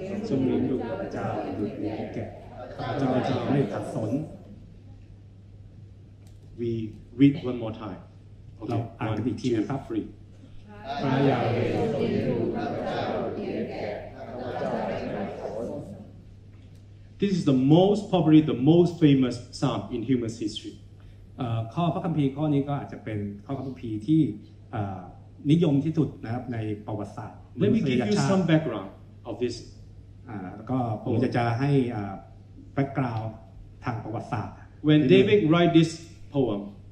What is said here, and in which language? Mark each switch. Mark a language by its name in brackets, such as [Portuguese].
[Thai] ทรงเลี้ยงดูข้าพเจ้า ดูแลแก่ข้าพเจ้าจะไม่ขัดสน [English] We read one more time [Thai] เราอ่านกันอีกทีนะครับ ฟรี พระยาเวทรงเลี้ยงดูข้าพเจ้าดูแลแก่ข้าพเจ้าไม่ขั [English] ดสน This is the most probably the most famous psalm in human history [Thai] ข้อพระคัมภีร์ข้อนี้ก็อาจจะเป็นข้อพระคัมภีร์ที่นิยมที่สุดนะครับในประวัติศาสตร์ [English] Let me give you some background of this [Thai] ก็ผมจะให้background ทางประวัติศาสตร์ [English] When David write this poem